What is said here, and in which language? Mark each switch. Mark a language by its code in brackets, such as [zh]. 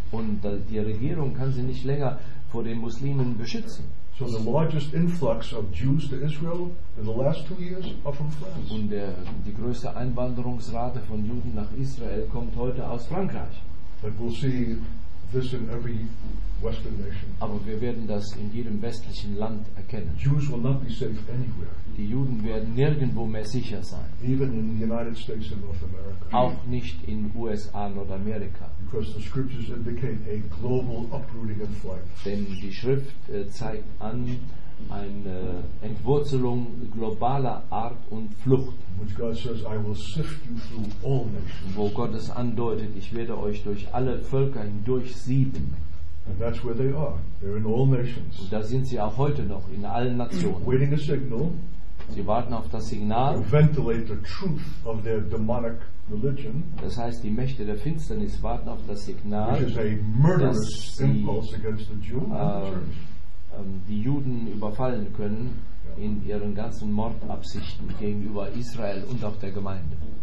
[de] Und die Regierung kann sie nicht länger vor den Muslimen beschützen. [en] So the largest influx of Jews to Israel in the last 2 years are from France. [de] Und die größte Einwanderungsrate von Juden nach Israel kommt heute aus Frankreich. [en] But we'll see this in every Western nation. [de] Aber wir werden das in jedem westlichen Land erkennen. [en] Jews will not be safe anywhere. [de] Die Juden werden nirgendwo mehr sicher sein. [en] Even in the United States and North America. [de] Auch nicht in USA und Nordamerika. [en] Because the scriptures indicate a global uprooting and flight. [de] Denn die Schrift zeigt an eine Entwurzelung globaler Art und Flucht. [en] Which God says, I will sift you through all nations. [de] Wo Gott es andeutet, ich werde euch durch alle Völker hindurch sieben. [en] And that's where they are. They're in all nations. [de] Und da sind sie auch heute noch, in allen Nationen. [en] Waiting a signal. [de] Sie warten auf das Signal. [en] To ventilate the truth of their demonic religion. [de] Das heißt, die Mächte der Finsternis warten auf das Signal, [en] which is a murderous impulse against the Jew and the church. [de] Die Juden überfallen können in ihren ganzen Mordabsichten gegenüber Israel und auch der Gemeinde.